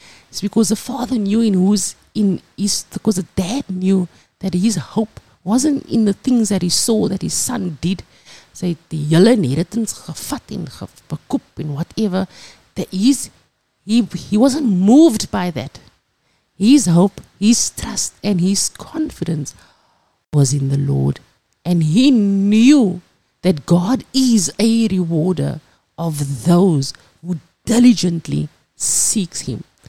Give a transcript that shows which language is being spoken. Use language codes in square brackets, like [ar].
[en] It's because the father knew because the dad knew that his hope wasn't in the things that he saw that his son did, [af] sy het die hele inheritance gevat en gekoop en whatever. [en] That is, he wasn't moved by that. His hope, his trust and his confidence was in the Lord. And he knew that God is a rewarder of those who diligently seeks him.